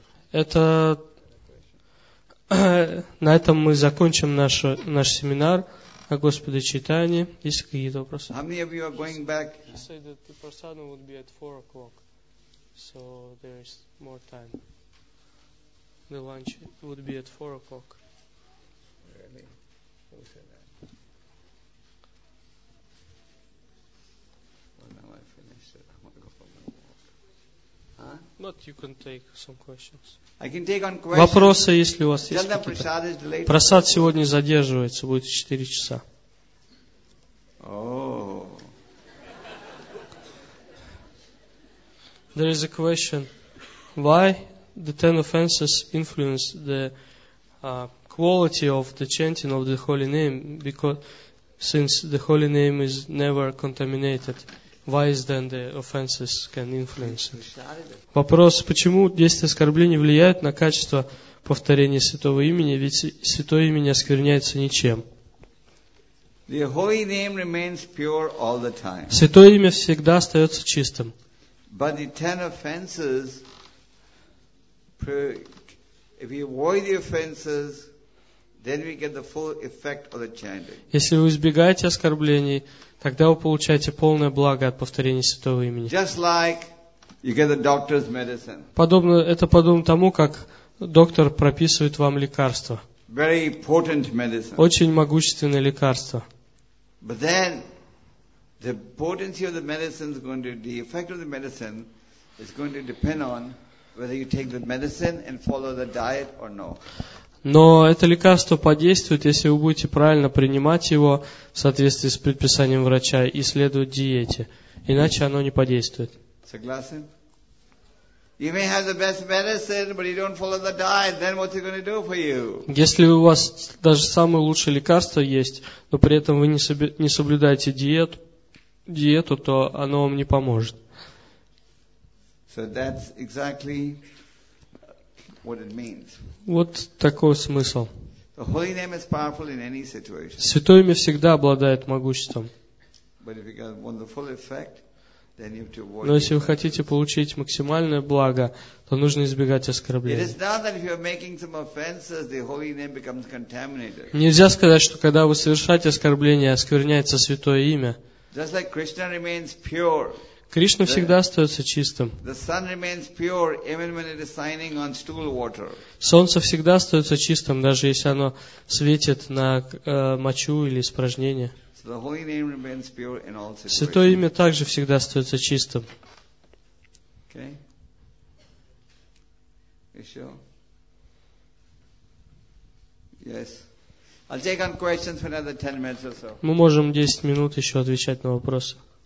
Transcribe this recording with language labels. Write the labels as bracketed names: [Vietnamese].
[Russian] Это на этом мы закончим наш семинар о Господе Чайтанье. Есть какие-то вопросы? [English] How many of you are going back? He said that the prasadam would be at 4 o'clock. So there is more time. The lunch would be at 4 o'clock. Really? Who said that? Well, now I finished it. I'm going to go for my walk. Huh? But you can take some questions. I can take on questions. [Russian] Вопросы, если у вас есть какие-то. [English] Prasad is delayed. [Russian] Prasad сегодня задерживается, будет 4 часа. Oh. [English] There is a question. Why the 10 offenses influence the quality of the chanting of the holy name? Because since the holy name is never contaminated, why is then the offenses can influence it? [Russian] Вопрос, почему действие оскорблений влияет на качество повторения святого имени, ведь святое имя не оскверняется ничем. [English] The holy name remains pure all the time. [Russian] Святое имя всегда остается чистым. [English] But the 10 offenses, if we avoid the offenses, then we get the full effect of the chanting. [Russian] Если вы избегаете оскорблений, тогда вы получаете полное благо от повторения святого имени. [English] Just like you get the doctor's medicine. [Russian] Подобно, это подобно тому, как доктор прописывает вам лекарство. [English] Very potent medicine. [Russian] Очень могущественное лекарство. [English] But then, the potency of the medicine is going to, the effect of the medicine is going to depend on whether you take the medicine and follow the diet or no. [Russian] Но это лекарство подействует, если вы будете правильно принимать его в соответствии с предписанием врача и следовать диете. Иначе оно не подействует. Согласен? [English] You may have the best medicine, but you don't follow the diet, then what's it going to do for you? [Russian] Если у вас даже самое лучшее лекарство есть, но при этом вы не соблюдаете диету, то оно вам не поможет. [English] So that's exactly what it means. [Russian] Вот такой смысл. [English] The Holy Name is powerful in any situation. [Russian] Святое имя всегда обладает могуществом. [English] But if you got wonderful effect, then you have to avoid. [Russian] Но если вы хотите получить максимальное благо, то нужно избегать оскорблений. [English] It is not that if you are making some offenses, the Holy Name becomes contaminated. [Russian] Нельзя сказать, что когда вы совершаете оскорбление, оскверняется Святое имя. [English] Just like Krishna remains pure. [Russian] Кришна всегда остается чистым. [English] The sun remains pure, even when it is shining on stool water. [Russian] Солнце всегда остается чистым, даже если оно светит на мочу или испражнение. [English] So the Holy Name remains pure in all situations. [Russian] Святое имя также всегда остается чистым. [English] Okay. You sure? Yes. I'll take on questions for another 10 minutes or so. [Russian] Мы можем 10 минут еще отвечать на вопросы.